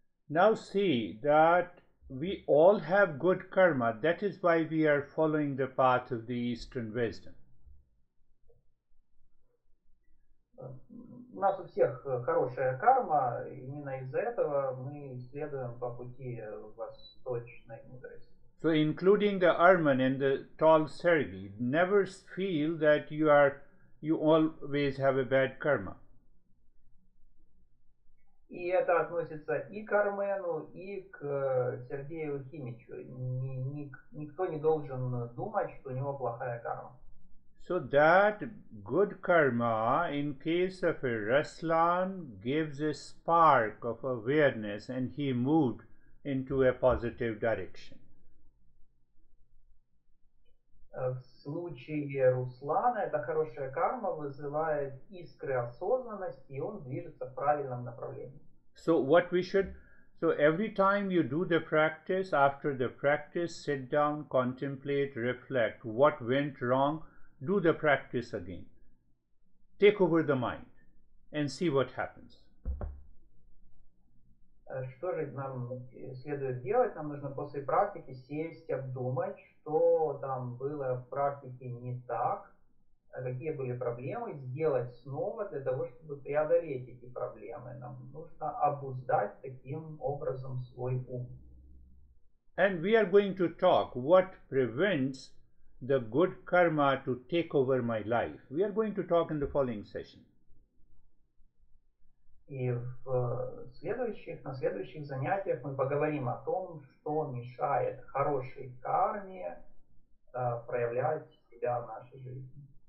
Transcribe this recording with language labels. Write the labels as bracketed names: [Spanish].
[English] Now see that we all have good karma. That is why we are following the path of the Eastern wisdom. [Russian] У нас у всех хорошая карма, именно из-за этого мы следуем по пути восточной мудрости. [English] So including the Arman and the tall Sergei, never feel that you always have a bad karma. [Russian] И это относится и к Армену, и к Сергею Химичу. Никто не должен думать, что у него плохая карма. [English] So that good karma, in case of a Ruslan, gives a spark of awareness and he moved into a positive direction. [Russian] В случае Руслана, эта хорошая карма вызывает искры осознанности, и он движется в правильном направлении. [English] So what we should, so every time you do the practice, after the practice, sit down, contemplate, reflect, what went wrong, do the practice again. Take over the mind and see what happens. [Russian] Что же нам следует делать? Нам нужно после практики сесть, обдумать, что там было в практике не так, какие были проблемы, сделать снова для того, чтобы преодолеть эти проблемы. Нам нужно обуздать таким образом свой ум. [English] And we are going to talk what prevents the good karma to take over my life. We are going to talk in the following session. [Russian] И на следующих занятиях мы поговорим о том, что мешает хорошей карме проявлять себя в нашей жизни.